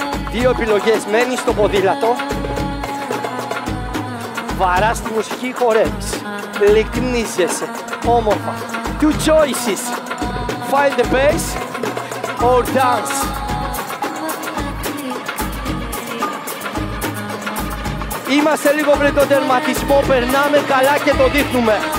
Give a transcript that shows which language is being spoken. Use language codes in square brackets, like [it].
[el] Δύο επιλογές. Μένει στο ποδήλατο. Βαρά στη μουσική χορεύεις, λυκνίζεσαι, όμορφα. [en] Two choices, find the bass or dance. [el] Είμαστε λίγο πριν το τερματισμό, περνάμε καλά και το δείχνουμε.